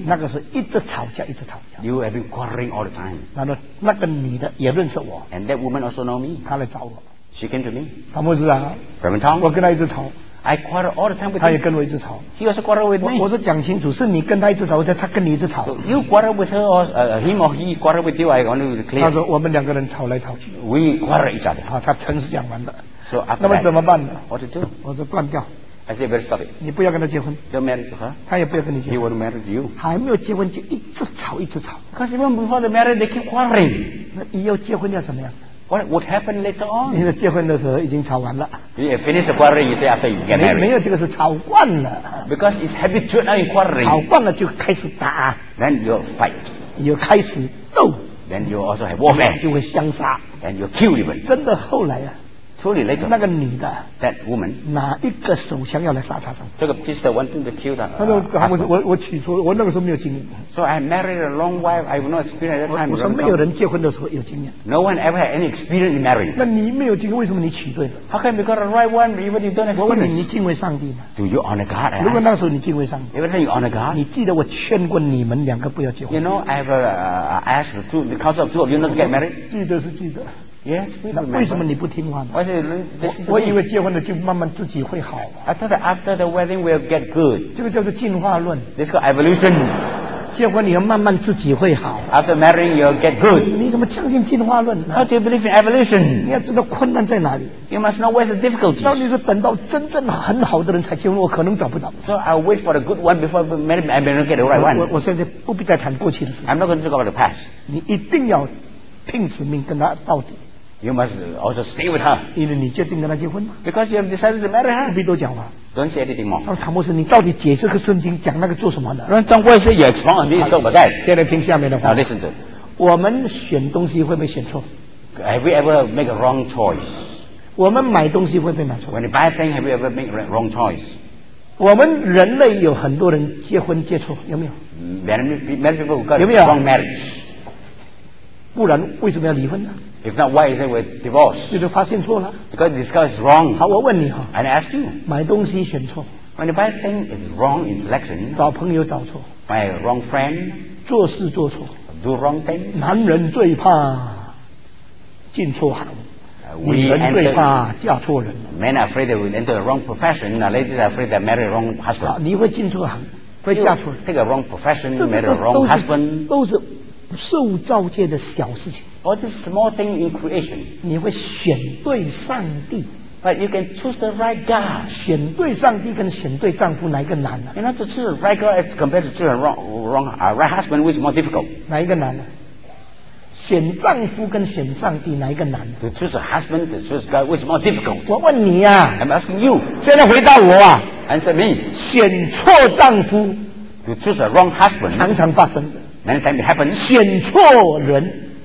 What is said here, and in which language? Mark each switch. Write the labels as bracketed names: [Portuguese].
[Chinese] 那个是一直吵架，一直吵架。 [English] You have been quarreling all the time. [Chinese] 然后那个女的也认识我 [English] ，and that woman also know me. [Chinese] 她来找我 [English] ，she came to me. [Chinese] 唐牧师啊 [English] ，Reverend Tom， [Chinese] 我跟她一直吵。 [English] I quarrel all the time with him. [Chinese] 他也跟我一直吵。 [English] He also quarrel with me. [Chinese] 我是讲清楚，是你跟他一直吵，还是他跟你一直吵 [English] so, ？You quarrel with her or him or he quarrel with you? I want to clear. [Chinese] 他说我们两个人吵来吵去。 [English] We quarrel each other. [Chinese] 好，他诚实讲完了。 [English] So after [Chinese] 那么怎么办呢 [English] ？What to do? [Chinese] 我说断掉。 [English] I say very sorry. [Chinese] 你不要跟他结婚。 [English] Don't marry to her. [Chinese] 他也不要跟你结婚。 [English] He won't marry to you. [Chinese] 还没有结婚就一直吵一直吵。 [English] Because even before the marriage, they keep quarreling. [Chinese] 那以后结婚要怎么样？ [English] What happened later on? [Chinese] 你的结婚的时候已经吵完了。 [English] You finish the quarreling, you say after you get married. [Chinese] 没有这个是吵惯了。 [English] Because it's habitual in quarreling. [Chinese] 吵惯了就开始打。 [English] Then you fight. [Chinese] 又开始斗。 [English] Then you also have warfare. [Chinese] 就会相杀。 [English] Then you kill even. [Chinese] 真的后来啊。处理那个女的 [English] ，that woman， [Chinese] 哪一个手想要来杀她？这个 [English] pistol wanted to kill her。 [Chinese] 我起初我那个时候没有经验。 [English] So I married a long wife. I have no experience at that time. [Chinese] 我说没有人结婚的时候有经验。 [English] No one ever had any experience in marriage. [Chinese] 那你没有经验，为什么你娶对了 [English] ？How can you got the right one even if you don't experience? [Chinese] 我问你，你敬畏上帝吗 [English] ？Do you honor God? [Chinese] 如果那时候你敬畏上帝 [English] ，Even then you honor God. [Chinese] 你记得我劝过你们两个不要结婚。 [English] You know I have asked the two because of two of you not to get married. [Chinese] 记得是记得。 [English] Yes, [Chinese] 那为什么你不听话呢？ [English] Said, [Chinese] 我以为结婚了就慢慢自己会好。 [English] I thought after the wedding will get good. [Chinese] 这个叫做进化论。 [English] This is evolution. [Chinese] 结婚你要慢慢自己会好。 [English] After marrying you'll get good. [Chinese] 你怎么相信进化论呢？ [English] How do you believe in evolution? [Chinese] 你要知道困难在哪里。 [English] You must know where's the difficulties. [Chinese] 那你说等到真正很好的人才结婚，我可能找不到。 [English] So I wait for the good one before marry and then get the right one. [Chinese] 我现在不必再谈过去的事。 [English] I'm not going to talk about the past. [Chinese] 你一定要拼死命跟他到底。 [English] You must also stay with her. [Chinese] 因为你决定跟她结婚嘛。 [English] Because you have decided to marry her. [Chinese] 不必多讲话。 [English] Don't say anything more. [Chinese] 他说：“唐牧师，你到底解释个圣经，讲那个做什么呢？” 让张博士也从耳机里听我在。现在听下面的话。 [English] Now listen to. [Chinese] 我们选东西会不会选错 [English] ？Have we ever make a wrong choice? [Chinese] 我们买东西会不会买错 [English] ？When you buy things, have you ever make a wrong choice? [Chinese] 我们人类有很多人结婚结错，有没有 [English] ？Many people got a wrong marriage. [Chinese] 不然为什么要离婚呢？ [English] If not, why is it with divorce? [Chinese] 就是发现错了。 [English] Because this guy is wrong. [Chinese] 好，我问你哈。 [English] And I ask you. [Chinese] 买东西选错。 [English] When you buy thing is wrong in selection. [Chinese] 找朋友找错。 [English] Buy wrong friend. [Chinese] 做事做错。 [English] Do wrong thing. [Chinese] 男人最怕进错行。 [English] We [Chinese] 女人最怕嫁错人。 [English] Men are afraid that we enter the wrong profession. Now ladies are afraid that marry wrong husband. [Chinese] 好，你会进错行，会嫁错人。 [English] Take a wrong profession, marry a wrong husband. [Chinese] 都是受造界的小事情。 [English] Or this small thing in creation. [Chinese] 你会选对上帝。 [English] But you can choose the right God. [Chinese] 选对上帝跟选对丈夫哪一个难呢？ [English] You know, to choose the right God as compared to choose the right husband, which is more difficult. [Chinese] 哪一个难呢？选丈夫跟选上帝哪一个难呢？ [English] To choose a husband, to choose God, which is more difficult. [Chinese] 我问你啊。 [English] I'm asking you. [Chinese] 现在回答我啊。 [English] Answer me. [Chinese] 选错丈夫。 [English] To choose a wrong husband. [Chinese] 常常发生。 [English] Many times it happens. [Chinese] 选错人。